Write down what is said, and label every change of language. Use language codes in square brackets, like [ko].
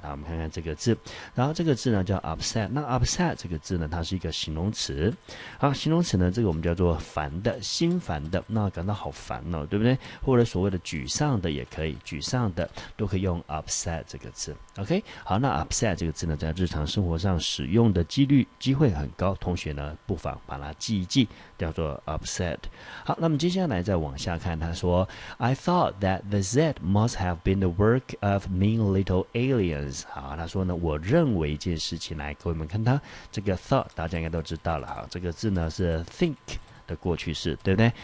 [zh] 我们看看这个字，然后这个字呢叫 upset。那 upset 这个字呢它是一个形容词，好，形容词呢这个我们叫做烦的，心烦的，那感到好烦哦，对不对？或者所谓的沮丧的也可以，沮丧的都可以用 upset 这个字。 OK， 好，那 upset 这个字呢在日常生活上使用的几率机会很高，同学呢不妨把它记一记，叫做 upset。好，那么接下来再往下看，他说 [en] I thought that the Z must have been the work of mean little aliens。 [zh] 好，他说呢我认为一件事情，来，各位们看他这个 thought 大家应该都知道了。好，这个字呢是 think 的过去式，对不对？